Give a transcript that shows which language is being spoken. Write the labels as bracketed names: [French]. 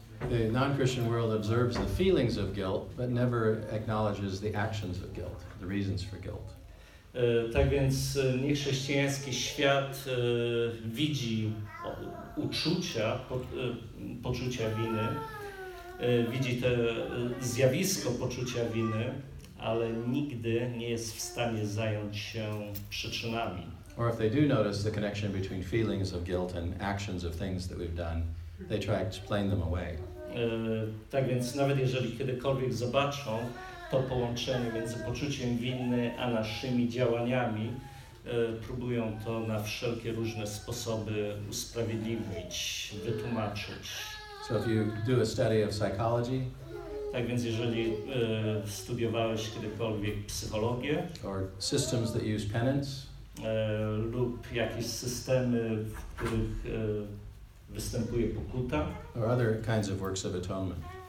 [English] The non-Christian world observes the feelings of guilt, but never acknowledges the actions of guilt, the reasons for guilt. [Polish] Tak więc niechrześcijański świat widzi uczucia, poczucia winy, widzi to zjawisko poczucia winy, ale nigdy nie jest w stanie zająć się przyczynami. [English] Or if they do notice the connection between feelings of guilt and actions of things that we've done, they try to explain them away. [Polish] Tak więc nawet jeżeli kiedykolwiek zobaczą to połączenie między poczuciem winy a naszymi działaniami, próbują to na wszelkie różne sposoby usprawiedliwić, wytłumaczyć. [English] So if you do a study of psychology, [Polish] tak więc jeżeli studiowałeś kiedykolwiek psychologię, [English] or systems that use penance, [Polish] lub jakieś systemy, w których występuje pokuta, [English] or other kinds of works of atonement,